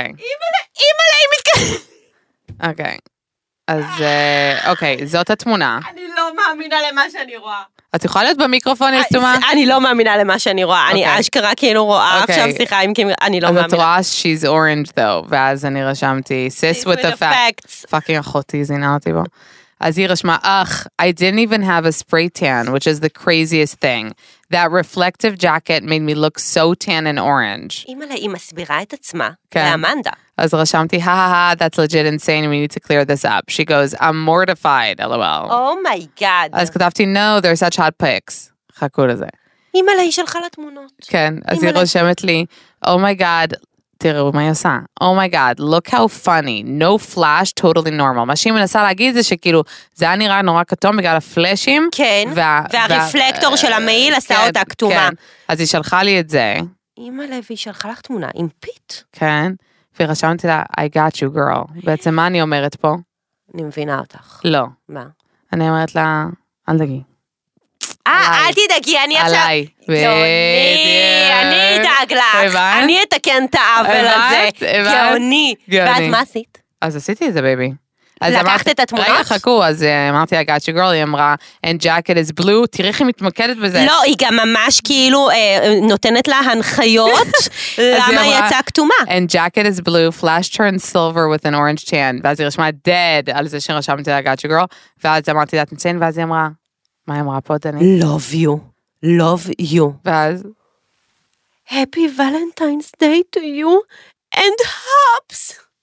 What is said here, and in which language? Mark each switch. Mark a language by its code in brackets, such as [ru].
[he] אימאלה, אימאלה, היא מתכנת. אוקיי. אז אוקיי, זאת התמונה. אני לא מאמינה למה שאני רואה. את יכולה להיות במיקרופון, יש תומה? אני לא מאמינה למה שאני רואה. אני אשכרה כאילו רואה עכשיו שיחה עם קים, אני לא מאמינה. אז את רואה, [en] she's orange though. [he] ואז אני רשמתי, [en] sis with the facts. [he] פאקינג אחותי, זינה אותי בו. אז היא רשמה, אך, [en] I didn't even have a spray tan, which is the craziest thing. That reflective jacket made me look so tan and orange. [he] אימאלה, היא מסבירה את עצמה. כן. לאמנדה. אז רשמתי, [en] ha ha ha, that's legit insane, we need to clear this up. She goes, I'm mortified, lol. Oh my god. [he] אז כתבתי, [en] no, they're such hot pics. [he] חכו לזה. אימאלה, היא שלחה לתמונות. כן, אז היא רשמת לי, [en] oh my god, [he] תראו מה היא עושה. [en] Oh my god, look how funny. No flash, totally normal. [he] מה שהיא מנסה להגיד זה שכאילו, זה היה נראה נורא כתום בגלל הפלשים. כן, והרפלקטור של המעיל עשה אותה כתומה. אז היא שלחה לי את זה. אמא לוי, היא שלחה לך תמונה עם פיט. כן, ורשמתי לה, [en] I got you girl. [he] בעצם מה אני אומרת פה? אני מבינה אותך. לא. מה? אני אומרת לה, אל תגיד. אל תדאגי, אני עכשיו... גאוני, אני אדאג לך. אני אתקן את העוול הזה. גאוני. ואז מה עשית? אז עשיתי את זה, בייבי. לקחת את התמונות? רגע, חכו, אז אמרתי, [en] I got you girl, [he] היא אמרה, [en] and jacket is blue, [he] תראי איך היא מתמקדת בזה. לא, היא גם ממש כאילו נותנת לה הנחיות, למה היא יצאה כתומה. [en] And jacket is blue, flash turned silver with an orange tan. [he] ואז היא רשמה, [en] dead, [he] על זה שרשמתי, [en] I got you girl. [he] ואז אמרתי, את נציין, ואז היא אמרה, מה היא אמרה פה, דני? [en] Love you. Love you. [he] ואז? [en] Happy Valentine's Day to you and hops.